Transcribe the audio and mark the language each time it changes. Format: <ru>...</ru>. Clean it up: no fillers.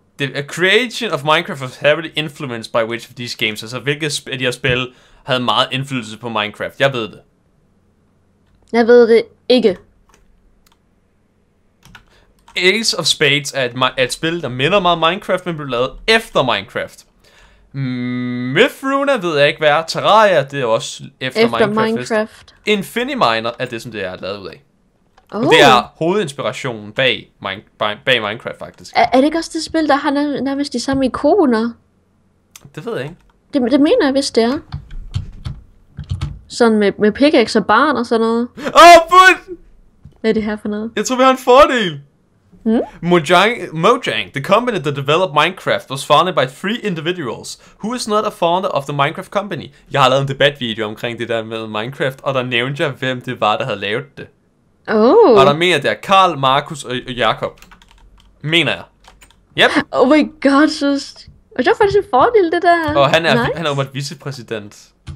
<en>A creation of Minecraft was heavily influenced by which of these games.</en> <da>Altså, hvilke af de her spil havde meget indflydelse på Minecraft? Jeg ved det. Jeg ved det ikke. Ace of Spades er et spil, der minder meget Minecraft, men blev lavet efter Minecraft. Mythruna ved jeg ikke, hvad er. Terraria, det er også efter Minecraft. Infiniminer er det, som det er lavet ud af. Oh. Det er hovedinspirationen bag Minecraft, faktisk. Er det ikke også det spil, der har nærmest de samme ikoner? Det ved jeg ikke. Det mener jeg, hvis det er. Sådan med pickaxe og barn og sådan noget. Åh, fuck! Hvad er det her for noget? Jeg tror, vi har en fordel.</da> <en>Mojang, the company that developed Minecraft, was founded by 3 individuals. Who is not a founder of the Minecraft company?</en> <da>Jeg har lavet en debatvideo omkring det der med Minecraft, og der nævnte jeg, hvem det var, der havde lavet det. Oh. Og der mener det er Karl, Markus og Jakob. Mener jeg. Yep.</da> <en>Oh my god, sus.</en> <da>Og det var faktisk en fordel, det der. Og han er umiddelbart vicepræsident.</da>